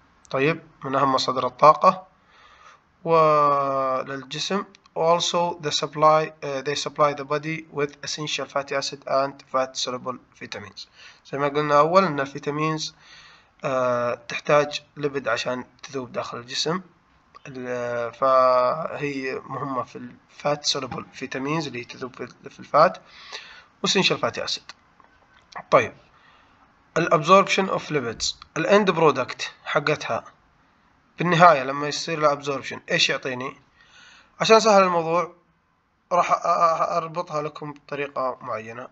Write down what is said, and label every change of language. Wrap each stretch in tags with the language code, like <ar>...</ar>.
<ar>طيب، من أهم مصادر الطاقة وللجسم.</ar> <en>Also the supply they supply the body with essential fatty acid and fat soluble vitamins.</en> <ar>زي ما قلنا أول إن الفيتامينز تحتاج ليبيد عشان تذوب داخل الجسم، فهي مهمة في الفات</ar> <en>soluble vitamins</en> <ar>اللي تذوب في الفات، وessential fatty acid. طيب، ال</ar> <en>absorption of lipids،</en> <ar>الـ end product حقتها في النهاية لما يصير الـ absorption إيش يعطيني؟ عشان سهل الموضوع راح أربطها لكم بطريقة معينة.</ar>